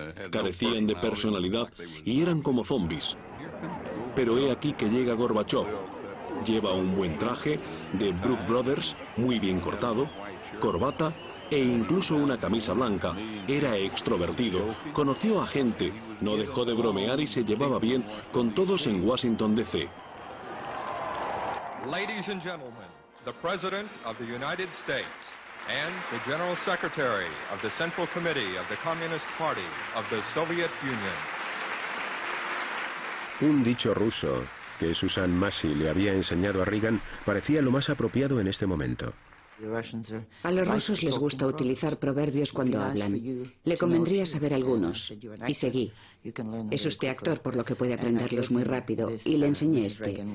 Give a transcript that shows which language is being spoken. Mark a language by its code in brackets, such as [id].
[es] Carecían de personalidad y eran como zombies. Pero he aquí que llega Gorbachov. Lleva un buen traje de Brooks Brothers, muy bien cortado, corbata e incluso una camisa blanca. Era extrovertido, conoció a gente, no dejó de bromear y se llevaba bien con todos en Washington DC. [en] Ladies and gentlemen, the President of the United States and the General Secretary of the Central Committee of the Communist Party of the Soviet Union. [es] Un dicho ruso que Susan Massie le había enseñado a Reagan parecía lo más apropiado en este momento. A los rusos les gusta utilizar proverbios cuando hablan. Le convendría saber algunos. Y seguí. Es usted actor, por lo que puede aprenderlos muy rápido. Y le enseñé este.